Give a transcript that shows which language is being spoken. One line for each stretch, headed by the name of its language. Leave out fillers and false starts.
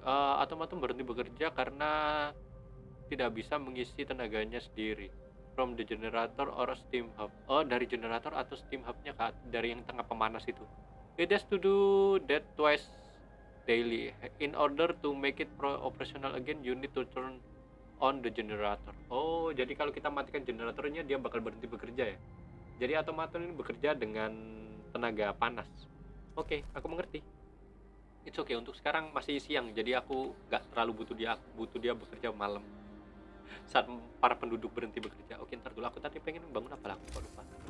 Indonesian: Automaton berhenti bekerja karena tidak bisa mengisi tenaganya sendiri.
English: From the generator or steam hub.
Indonesian: Oh, dari generator atau steam hub-nya, Kak? Dari yang tengah pemanas itu.
English: It has to do that twice daily. In order to make it operational again, you need to turn on the generator.
Indonesian: Oh, jadi kalau kita matikan generatornya, dia bakal berhenti bekerja ya? Jadi automaton ini bekerja dengan tenaga panas. Oke, okay, aku mengerti.
English: It's okay,
Indonesian: untuk sekarang masih siang, jadi aku nggak terlalu butuh dia. Aku butuh dia bekerja malam saat para penduduk berhenti bekerja. Oke, okay, ntar dulu. Aku tadi pengen bangun apa lah, aku lupa.